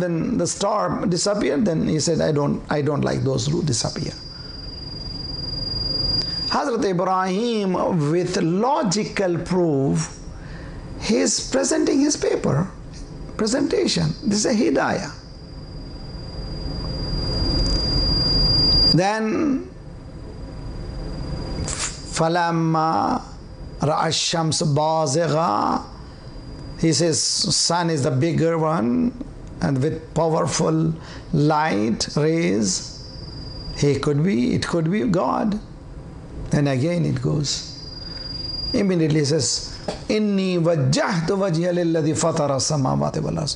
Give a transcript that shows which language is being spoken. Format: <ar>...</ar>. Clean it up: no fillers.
<en>Then the star disappeared. Then he said, I don't like those who disappear. Hazrat Ibrahim, with logical proof, he is presenting his paper, presentation. This is a hidayah.</en> <ar>Then, فَلَمَّا رَأَ الشَّمْسُ بَازِغًا.</ar> <en>He says, sun is the bigger one, and with powerful light rays, it could be God. And again it goes. Immediately he says,</en> <ar>Inni wajjahtu wajhiya lilladhi fatara as-samawati wal ard.</ar>